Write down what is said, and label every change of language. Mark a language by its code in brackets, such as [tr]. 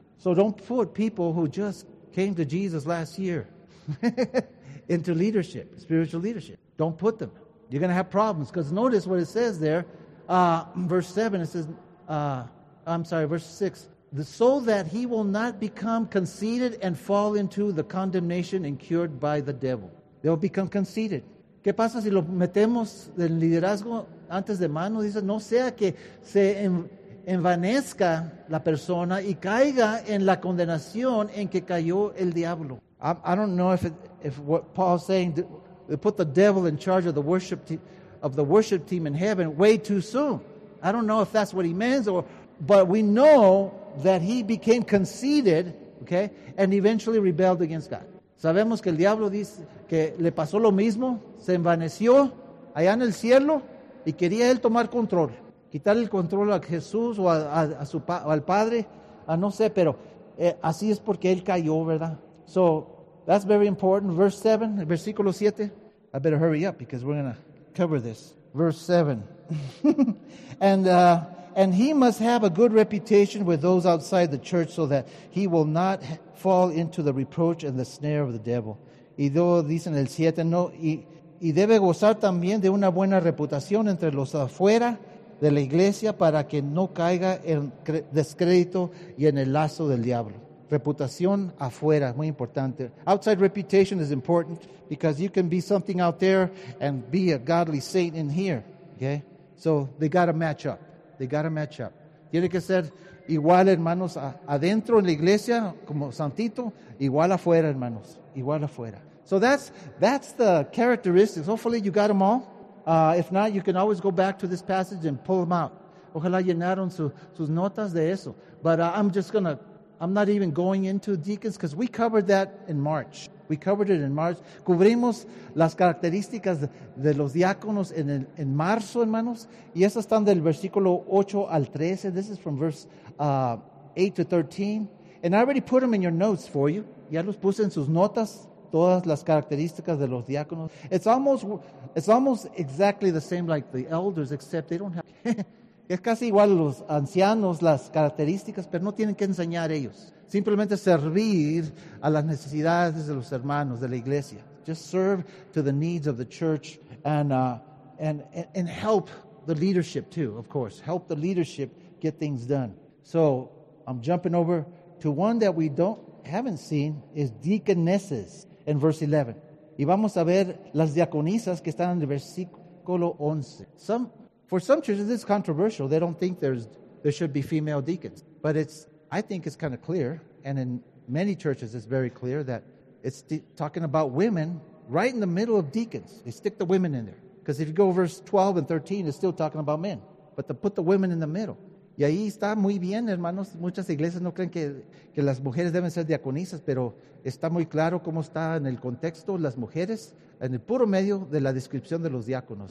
[en] So don't put people who just came to Jesus last year into leadership, spiritual leadership. Don't put them. You're going to have problems. Because notice what it says there. Verse 6. So that he will not become conceited and fall into the condemnation incurred by the devil. They'll become conceited. [es] ¿Qué pasa si lo metemos en liderazgo antes de mano? Dice, no sea que se envanezca la persona y caiga en la condenación en que cayó el diablo. [en] I don't know if what Paul's saying, they put the devil in charge of the worship team in heaven way too soon. I don't know if that's what he means, but we know that he became conceited, okay, and eventually rebelled against God. [es] Sabemos que el diablo dice que le pasó lo mismo, se envaneció allá en el cielo y quería él tomar control, quitar el control a Jesús o al Padre, a no sé, pero así es porque él cayó, ¿verdad? [en] So, that's very important. Verse 7, [es] el versículo 7. [en] I better hurry up because we're going to cover this. Verse 7. And he must have a good reputation with those outside the church so that he will not fall into the reproach and the snare of the devil. [es] Y luego dicen el 7, no, y debe gozar también de una buena reputación entre los afuera de la iglesia para que no caiga en descrédito y en el lazo del diablo. Reputación afuera, muy importante. [en] Outside reputation is important because you can be something out there and be a godly saint in here. Okay? So they got to match up. They got to match up. [es] Tiene que ser igual, hermanos, adentro en la iglesia, como santito, igual afuera, hermanos, igual afuera. [en] So that's the characteristics. Hopefully you got them all. If not, you can always go back to this passage and pull them out. [es] Ojalá llenaron sus notas de eso. [en] But I'm not even going into deacons because we covered that in March. We covered it in March. [es] Cubrimos las características de los diáconos en marzo, hermanos. Y esas están del versículo 8 al 13. [en] This is from verse 8 to 13. And I already put them in your notes for you. [es] Ya los puse en sus notas, todas las características de los diáconos. [en] It's almost exactly the same like the elders, except they don't have... [es] Es casi igual a los ancianos, las características, pero no tienen que enseñar ellos. Simplemente servir a las necesidades de los hermanos, de la iglesia. [en] Just serve to the needs of the church and help the leadership too, of course. Help the leadership get things done. So I'm jumping over to one that we haven't seen is deaconesses in verse 11. [es] Y vamos a ver las diaconisas que están en el versículo 11. [en] For some churches, this is controversial. They don't think there should be female deacons. But I think it's kind of clear, and in many churches it's very clear, that it's talking about women right in the middle of deacons. They stick the women in there. Because if you go verse 12 and 13, it's still talking about men. But to put the women in the middle. [es] Y ahí está muy bien, hermanos. Muchas iglesias no creen que las mujeres deben ser diaconisas, pero está muy claro cómo está en el contexto las mujeres en el puro medio de la descripción de los diáconos.